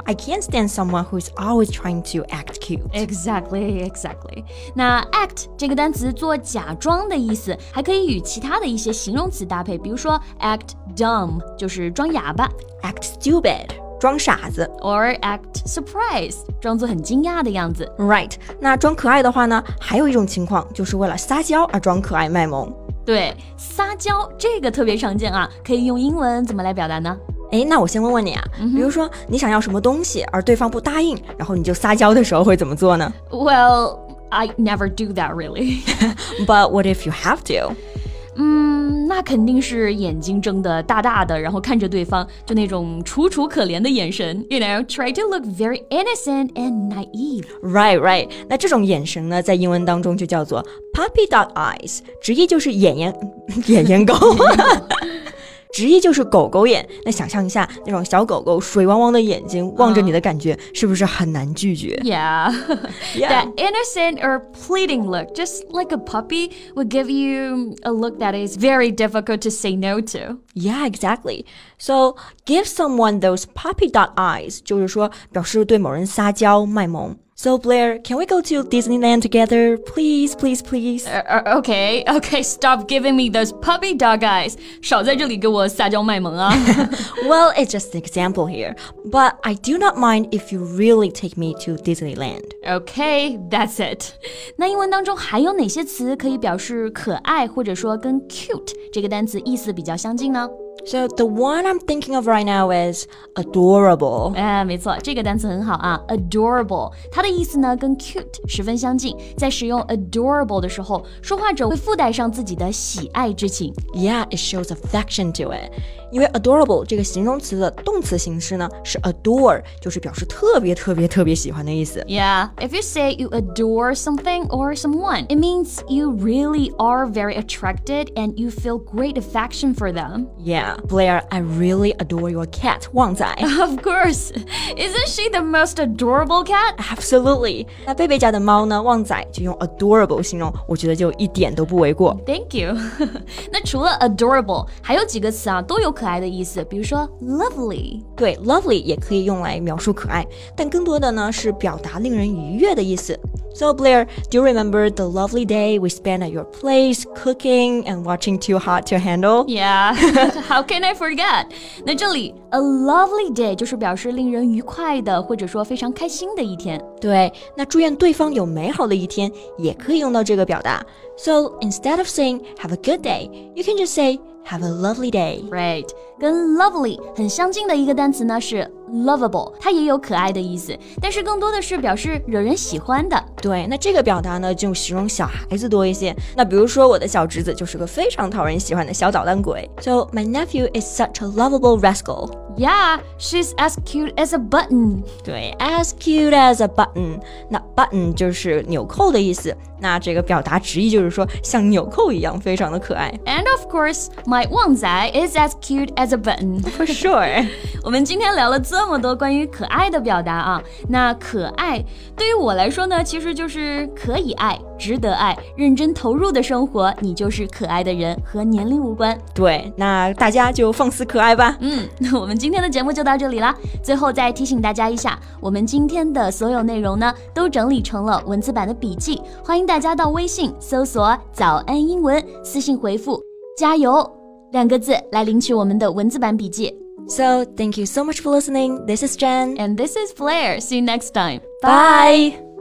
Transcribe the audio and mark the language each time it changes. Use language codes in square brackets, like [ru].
[en] I can't stand someone who is always trying to act cute. Exactly, exactly. [zh] 那 act 这个单词做假装的意思，还可以与其他的一些形容词搭配，比如说 act dumb 就是装哑巴 [en] ，act stupid. [zh] 装傻子 [en] or act surprised [zh] 装作很惊讶的样子 right 那装可爱的话呢还有一种情况就是为了撒娇而装可爱卖萌对撒娇这个特别常见啊可以用英文怎么来表达呢哎，那我先问问你啊、mm-hmm. 比如说你想要什么东西而对方不答应然后你就撒娇的时候会怎么做呢 [en] well I never do that really but what if you have to [zh] 那肯定是眼睛睁得大大的然后看着对方就那种楚楚可怜的眼神 [en] You know, try to look very innocent and naive [zh] Right, right 那这种眼神呢在英文当中就叫做 puppy dog eyes 直译就是眼眼狗直译就是狗狗眼那想象一下那种小狗狗水汪汪的眼睛望着你的感觉、是不是很难拒绝 [en] yeah. That innocent or pleading look just like a puppy would give you a look that is very difficult to say no to Yeah, exactly So give someone those puppy dog eyes [zh] 就是说表示对某人撒娇卖萌 [en] So Blair, can we go to Disneyland together? Please, please, please okay, okay, stop giving me those puppy dog eyes [zh] 少在这里给我撒娇卖萌啊 [en] Well, it's just an example here But I do not mind if you really take me to Disneyland Okay, that's it [zh] 那英文当中还有哪些词可以表示可爱或者说跟 cute 这个单词意思比较相近呢 [en] So the one I'm thinking of right now is adorable. [zh] 哎，没错，这个单词很好啊 ，adorable。它的意思呢跟 cute 十分相近。在使用 adorable 的时候，说话者会附带上自己的喜爱之情。 [en] Yeah, it shows affection to it. [zh] 因为 adorable 这个形容词的动词形式呢是 adore， 就是表示特别特别特别喜欢的意思。 [en] Yeah, if you say you adore something or someone, it means you really are very attracted and you feel great affection for them. Yeah. Blair, I really adore your cat, 旺仔 Of course. Isn't she the most adorable cat? Absolutely. [zh] 那贝贝家的猫呢旺仔就用 adorable 形容我觉得就一点都不为过。 [en] Thank you. [zh] 那除了 adorable, 还有几个词啊都有可爱的意思比如说 lovely. 对 lovely 也可以用来描述可爱但更多的呢是表达令人愉悦的意思。 [en] So Blair, do you remember the lovely day we spent at your place cooking and watching Too Hot to Handle? Yeah, how can I forget? [zh] 那这里 a lovely day 就是表示令人愉快的或者说非常开心的一天。对，那祝愿对方有美好的一天也可以用到这个表达。 [en] So instead of saying have a good day, you can just say have a lovely day. [zh] Right, 跟 lovely 很相近的一个单词呢是Lovable, 它也有可爱的意思但是更多的是表示惹人喜欢的对那这个表达呢就形容小孩子多一些那比如说我的小侄子就是个非常讨人喜欢的小捣蛋鬼 [en] So my nephew is such a lovable rascal Yeah, she's as cute as a button [zh] 对 as cute as a button 那 button 就是纽扣的意思那这个表达直译就是说像纽扣一样非常的可爱 [en] And of course, my 旺仔 is as cute as a button For sure [zh] 我们今天聊了这么多关于可爱的表达啊，那可爱对于我来说呢，其实就是可以爱、值得爱、认真投入的生活，你就是可爱的人，和年龄无关。对，那大家就放肆可爱吧。嗯，那我们今天的节目就到这里了。最后再提醒大家一下，我们今天的所有内容呢，都整理成了文字版的笔记，欢迎大家到微信搜索“早安英文”，私信回复“加油”两个字来领取我们的文字版笔记。 [en] So, thank you so much for listening. This is Jen. And this is Blair. See you next time. Bye!